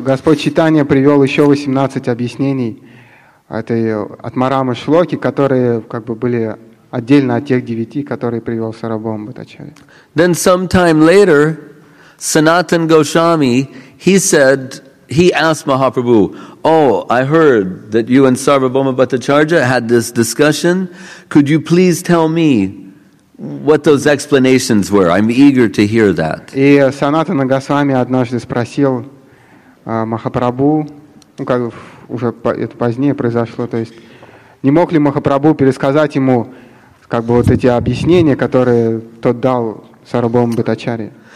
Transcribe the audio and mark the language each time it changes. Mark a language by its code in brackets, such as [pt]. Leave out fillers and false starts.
[ru] И Господь Чайтанья привел еще 18 объяснений этой Атмарама шлоки, которые как бы были отдельно от тех 9, которые привел Сарвабхаума Бхаттачарья. [en] Then sometime later, Sanatan Goswami, he said, he asked Mahaprabhu, "Oh, I heard that you and Sarvabhauma Bhattacharya had this discussion. Could you please tell me what those explanations were? I'm eager to hear that." [ru] И Санатана Госвами однажды спросил Махапрабху, ну как уже это позднее произошло, то есть не мог ли Махапрабху пересказать ему как бы вот эти объяснения, которые тот дал Сарвабхауме Бхаттачарье.